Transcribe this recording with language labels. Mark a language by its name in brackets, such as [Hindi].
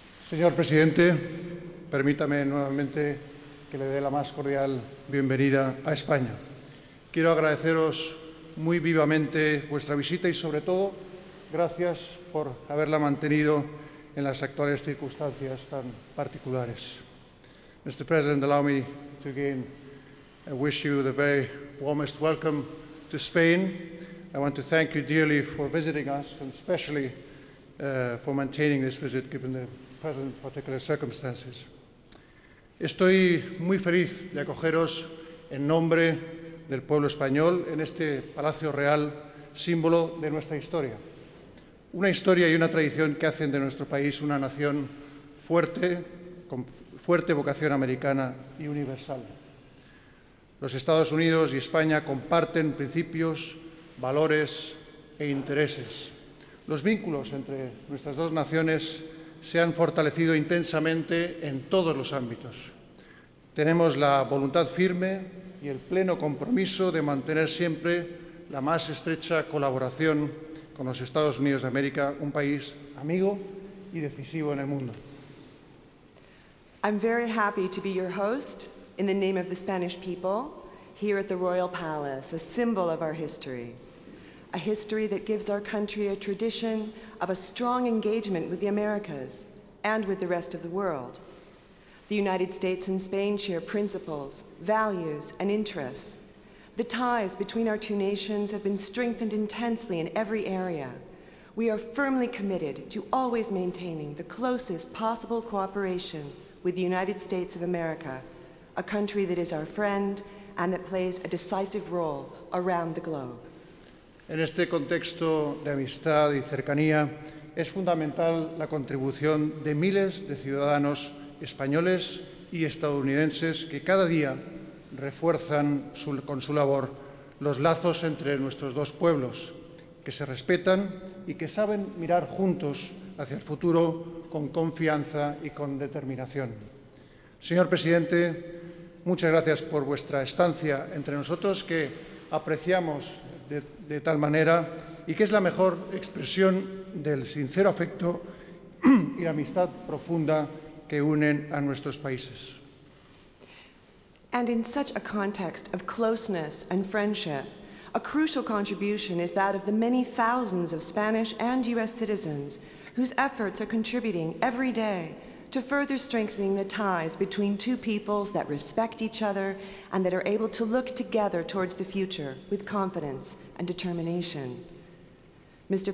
[Spanish] Señor presidente, permítame nuevamente que le dé la más cordial bienvenida a España. Quiero agradeceros muy vivamente vuestra visita y, sobre todo, gracias por haberla mantenido en las actuales circunstancias tan particulares. [English] Mr. President, allow me to again wish you the very warmest welcome to Spain. I want to thank you dearly for visiting us and especially for maintaining this visit given the present particular circumstances. [Spanish] Estoy muy feliz de acogeros en nombre del pueblo español en este Palacio Real, símbolo de nuestra historia. Una historia y una tradición que hacen de nuestro país una nación fuerte, con fuerte vocación americana y universal. Los Estados Unidos y España comparten principios, valores e intereses. Los vínculos entre nuestras dos naciones se han fortalecido intensamente en todos los ámbitos. Tenemos la voluntad firme y el pleno compromiso de mantener siempre la más estrecha colaboración con los Estados Unidos de América, un país amigo y decisivo en el mundo. [English] I'm very happy to be your host in the name of the Spanish people here at the Royal Palace, a symbol of our history. A history that gives our country a tradition of a strong engagement with the Americas and with the rest of the world. The United States and Spain share principles, values, and interests. The ties between our two nations have been strengthened intensely in every area. We are firmly committed to always maintaining the closest possible cooperation with the United States of America, a country that is our friend and that plays a decisive role around the globe. [Spanish] En este contexto de amistad y cercanía, es fundamental la contribución de miles de ciudadanos españoles y estadounidenses que cada día refuerzan con su labor los lazos entre nuestros dos pueblos, que se respetan y que saben mirar juntos hacia el futuro con confianza y con determinación. Señor presidente, muchas gracias por vuestra estancia entre nosotros, que apreciamos de tal manera y que es la mejor expresión del sincero afecto y la amistad profunda que unen a nuestros países. [English] And in such a context of closeness and friendship, a crucial contribution is that of the many thousands of Spanish and U.S. citizens whose efforts are contributing every day to further strengthening the ties between two peoples that respect each other and that are able to look together towards the future with confidence and determination. Mr.